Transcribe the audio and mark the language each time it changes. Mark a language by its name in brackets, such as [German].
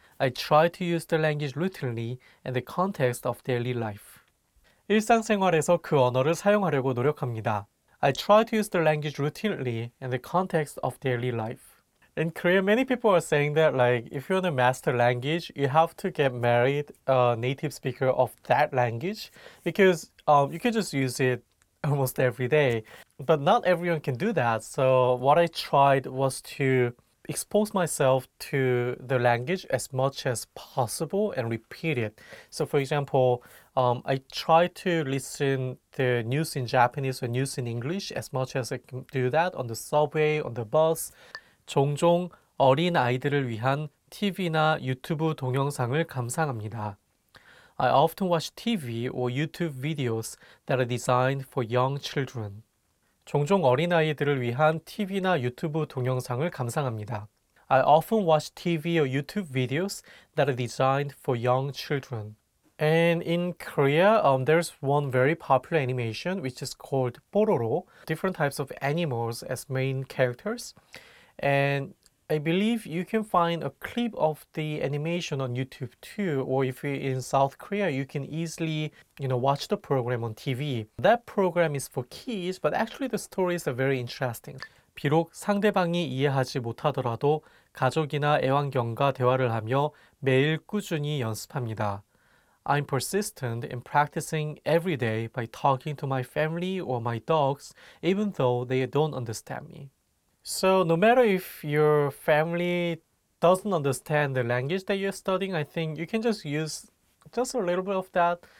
[English] I try to use the language routinely in the context of daily life. [Korean] 일상생활에서 그 언어를 사용하려고 노력합니다. [English] I try to use the language routinely in the context of daily life. In Korea, many people are saying that like if you want to master language, you have to get married a native speaker of that language because you can just use it almost every day. But not everyone can do that. So what I tried was to expose myself to the language as much as possible and repeat it. So for example, I try to listen the news in Japanese or news in English as much as I can do that on the subway, on the bus. [Korean] 종종 어린 아이들을 위한 TV나 유튜브 동영상을 감상합니다. [English] I often watch TV or YouTube videos that are designed for young children. [Korean] 종종 어린 아이들을 위한 TV나 유튜브 동영상을 감상합니다. [English] I often watch TV or YouTube videos that are designed for young children. And in Korea, there's one very popular animation which is called Bororo. Different types of animals as main characters. And I believe you can find a clip of the animation on YouTube too. Or if you're in South Korea, you can easily, you know, watch the program on TV. That program is for kids, but actually the stories are very interesting. [Korean] 비록 상대방이 이해하지 못하더라도 가족이나 애완견과 대화를 하며 매일 꾸준히 연습합니다. [English] I'm persistent in practicing every day by talking to my family or my dogs, even though they don't understand me. So no matter if your family doesn't understand the language that you're studying, I think you can just use just a little bit of that.